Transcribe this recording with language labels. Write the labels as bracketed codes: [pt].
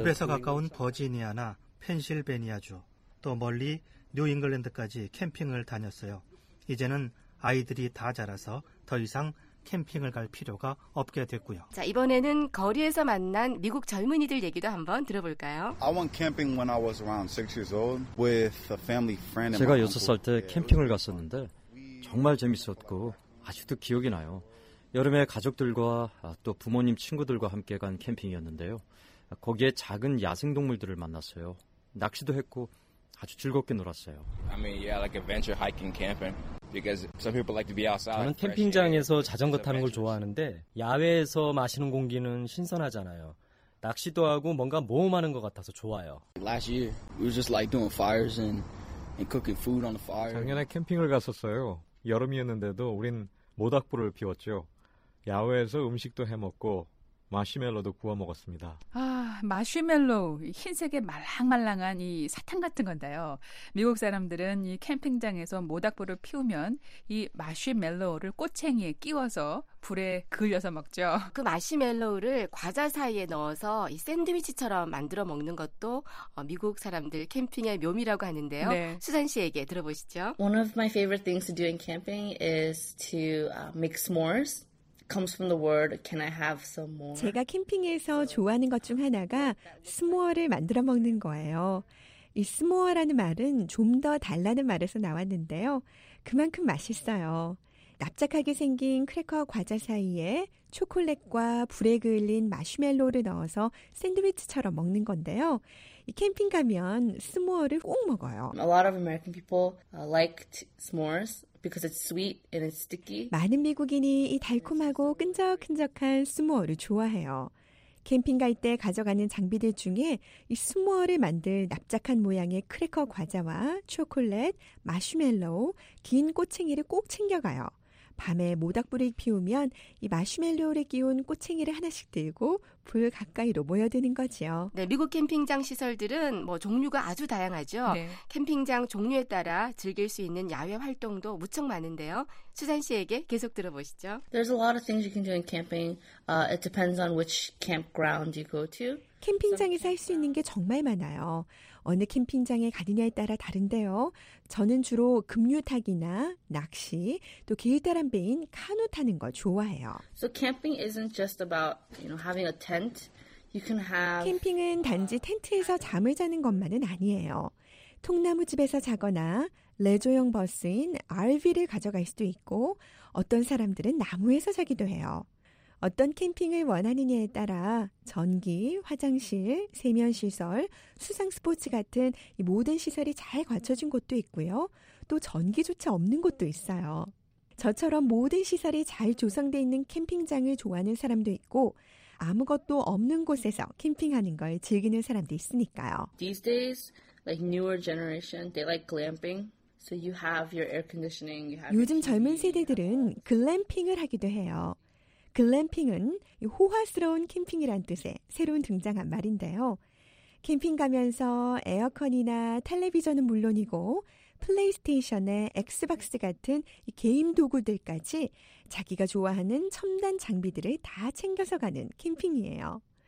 [ko] 집에서 가까운 버지니아나 펜실베니아주 또 멀리 뉴잉글랜드까지 캠핑을 다녔어요. 이제는 아이들이 다 자라서 더 이상 캠핑을 갈 필요가 없게 됐고요. 자, 이번에는 거리에서 만난 미국 젊은이들 얘기도 한번 들어볼까요? [en] I went camping when I was around 6 years old with a family friend. [ko] 제가 6살 때 캠핑을 갔었는데 정말 재밌었고 아직도 기억이 나요. 여름에 가족들과 또 부모님 친구들과 함께 간 캠핑이었는데요. 거기에 작은 야생동물들을 만났어요. 낚시도 했고 아주 즐겁게 놀았어요. [en] I mean, yeah, like adventure hiking camping. Because some people like to be outside. [ko] 저는 캠핑장에서 자전거 타는 걸 좋아하는데 야외에서 마시는 공기는 신선하잖아요. 낚시도 하고 뭔가 모험하는 것 같아서 좋아요. [en] Last year, we were just like doing fires and cooking food on the fire. [ko] 작년에 캠핑을 갔었어요. 여름이었는데도 우린 모닥불을 피웠죠. 야외에서 음식도 해먹고 마시멜로도 구워 먹었습니다. 아, 마시멜로, 흰색의 말랑말랑한 이 사탕 같은 건데요. 미국 사람들은 이 캠핑장에서 모닥불을 피우면 이 마시멜로를 꼬챙이에 끼워서 불에 그을려서 먹죠. 그 마시멜로를 과자 사이에 넣어서 이 샌드위치처럼 만들어 먹는 것도 미국 사람들 캠핑의 묘미라고 하는데요. 네. 수잔 씨에게 들어보시죠. [en] One of my favorite things to do in camping is to make s'mores. Comes from the word, can I have some more? [ko] 제가 캠핑에서 좋아하는 것 중 하나가 스모어를 만들어 먹는 거예요. 이 스모어라는 말은 좀 더 달라는 말에서 나왔는데요. 그만큼 맛있어요. 납작하게 생긴 크래커 과자 사이에 초콜릿과 불에 그을린 마시멜로를 넣어서 샌드위치처럼 먹는 건데요. 이 캠핑 가면 스모어를 꼭 먹어요. [en] A lot of American people like s'mores. Because it's sweet and it's sticky. [ko] 많은 미국인이 이 달콤하고 끈적끈적한 스모어를 좋아해요. 캠핑 갈 때 가져가는 장비들 중에 이 스모어를 만들 납작한 모양의 크래커 과자와 초콜릿, 마시멜로우, 긴 꼬챙이를 꼭 챙겨가요. 밤에 모닥불을 피우면 이 마시멜로를 끼운 꽃챙이를 하나씩 들고 불 가까이로 모여드는 거죠. 네, 미국 캠핑장 시설들은 뭐 종류가 아주 다양하죠. 네. 캠핑장 종류에 따라 즐길 수 있는 야외 활동도 무척 많은데요. 수잔 씨에게 계속 들어보시죠. [en] There's a lot of things you can do in camping. It depends on which campground you go to. [ko] 캠핑장에서 할 수 있는 게 정말 많아요. 어느 캠핑장에 가느냐에 따라 다른데요. 저는 주로 급류 타기나 낚시, 또 길다란 배인 카누 타는 걸 좋아해요. [en] So camping isn't just about, you know, having a tent. You can have [ko] 캠핑은 단지 텐트에서 잠을 자는 것만은 아니에요. 통나무 집에서 자거나 레조형 버스인 RV를 가져갈 수도 있고 어떤 사람들은 나무에서 자기도 해요. 어떤 캠핑을 원하느냐에 따라 전기, 화장실, 세면시설, 수상스포츠 같은 이 모든 시설이 잘 갖춰진 곳도 있고요. 또 전기조차 없는 곳도 있어요. 저처럼 모든 시설이 잘 조성되어 있는 캠핑장을 좋아하는 사람도 있고 아무것도 없는 곳에서 캠핑하는 걸 즐기는 사람도 있으니까요. [en] These days, like newer generation, they like glamping. So you have your air conditioning. You have [ko] 요즘 젊은 세대들은 글램핑을 하기도 해요. 글램핑은 호화스러운 캠핑이란 뜻의 새로운 등장한 말인데요. 캠핑 가면서 에어컨이나 텔레비전은 물론이고 플레이스테이션에 엑스박스 같은 게임 도구들까지 자기가 좋아하는 첨단 장비들을 다 챙겨서 가는 캠핑이에요.